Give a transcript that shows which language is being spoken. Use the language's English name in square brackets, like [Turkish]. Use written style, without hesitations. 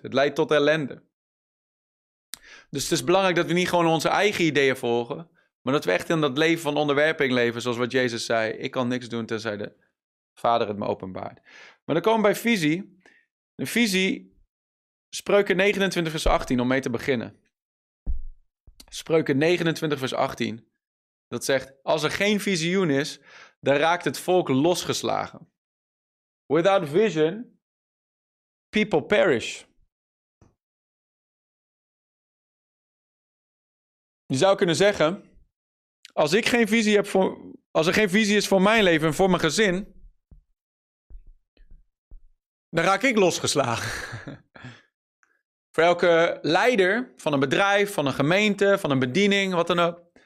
[Dutch] Het leidt tot ellende. Dus het is belangrijk dat we niet gewoon onze eigen ideeën volgen, maar dat we echt in dat leven van onderwerping leven, zoals wat Jezus zei, ik kan niks doen tenzij de Vader het me openbaart. Maar dan komen we bij visie. Een visie, Spreuken 29 vers 18, om mee te beginnen. Spreuken 29 vers 18, dat zegt, als er geen visioen is, dan raakt het volk losgeslagen. [English] Without vision, people perish. [Dutch] Je zou kunnen zeggen, als ik geen visie heb voor, als er geen visie is voor mijn leven en voor mijn gezin, dan raak ik losgeslagen. Voor elke leider van een bedrijf, van een gemeente, van een bediening, wat dan ook.